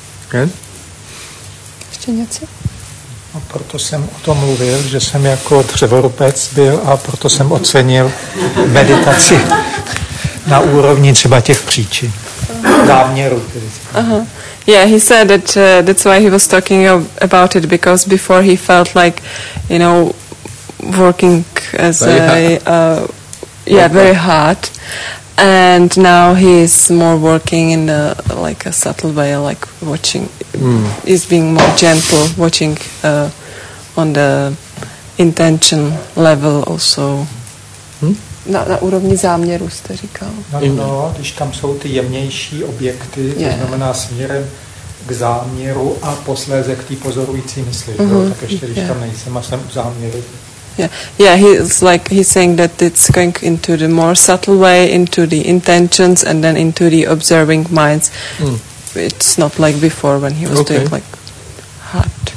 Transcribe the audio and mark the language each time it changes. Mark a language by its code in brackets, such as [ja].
[en] Good. [cs] Ještě něco? A proto jsem o tom mluvil, že jsem jako dřevorubec byl a proto jsem ocenil meditaci na úrovni třeba těch příčin. Uh-huh. [en] Yeah, he said that that's why he was talking about it, because before he felt like, you know, working as very hard, and now he's more working in a, like a subtle way, like watching, he's being more gentle, watching on the intention level also. [cs] Na úrovni záměru jste říkal. No, když tam jsou ty jemnější objekty, to znamená směrem k záměru a posléze k té pozorující mysli. Mm-hmm. Jo, tak ještě, když tam nejsem a jsem u záměru. [en] Yeah, he's like, he's saying that it's going into the more subtle way, into the intentions and then into the observing minds. Mm. It's not like before when he was doing like hard.